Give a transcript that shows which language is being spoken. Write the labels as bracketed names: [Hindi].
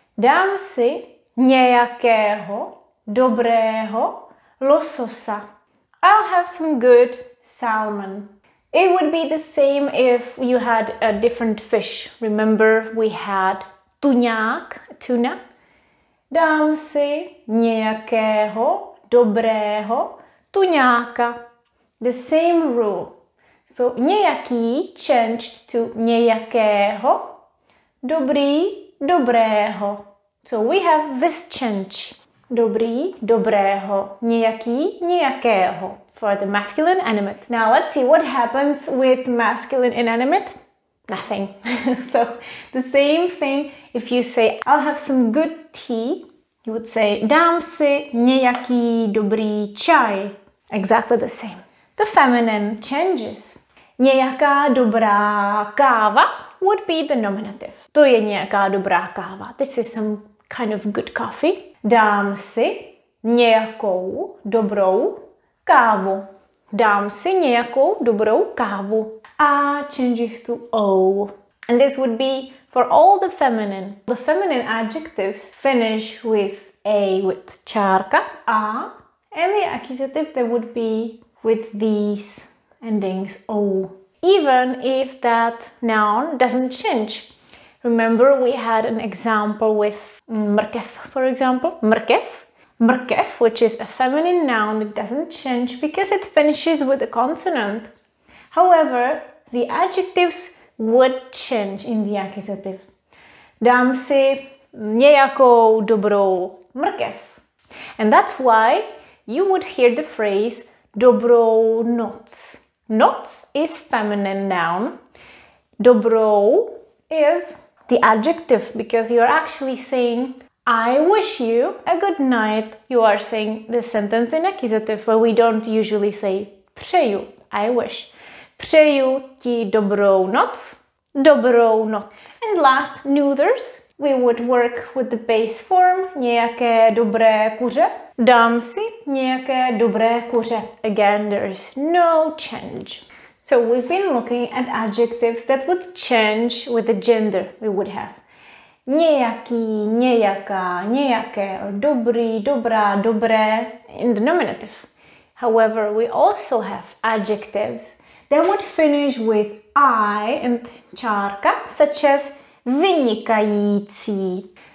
[Czech] Dám si nějakého dobrého lososa. [English] I'll have some good salmon. It would be the same if you had a different fish. Remember, we had tuňák, tuna. [Czech] Dám si nějakého dobrého tuňáka. [English] The same rule. So nějaký changed to nějakého, dobrý, dobrého. So we have this change. [Czech] Dobrý, dobrého, nějaký, nějakého, [English] for the masculine animate. Now let's see what happens with masculine inanimate. Nothing. So the same thing if you say, I'll have some good tea. You would say, [Czech] dám si nějaký dobrý čaj. [English] Exactly the same. The feminine changes. [Czech] Nějaká dobrá káva [English] would be the nominative. [Czech] To je nějaká dobrá káva. [English] This is some kind of good coffee. [Czech] Dám si nějakou dobrou kávu. Dám si nějakou dobrou kávu. [English] A changes to O. And this would be for all the feminine. The feminine adjectives finish with A, with čárka. A. And the accusative, they would be with these endings, O. Even if that noun doesn't change. Remember, we had an example with mrkev, for example. Mrkev. Mrkev, which is a feminine noun, it doesn't change because it finishes with a consonant. However, the adjectives would change in the accusative. [Czech] Dám si nějakou dobrou mrkev. [English] And that's why you would hear the phrase dobrou noc. Noc is feminine noun. Dobrou is the adjective, because you're actually saying, I wish you a good night. You are saying the sentence in accusative, but we don't usually say přeju, I wish. [Czech] Přeju ti dobrou noc. Dobrou noc. [English] And last, neuters. We would work with the base form. [Czech] Nějaké dobré kuře. Dám si nějaké dobré kuře. [English] Again, there's no change. So we've been looking at adjectives that would change with the gender we would have. [Czech] Nějaký, nějaká, nějaké, or dobrý, dobrá, dobré [English] in the nominative. However, we also have adjectives that would finish with I and čárka, such as vynikající.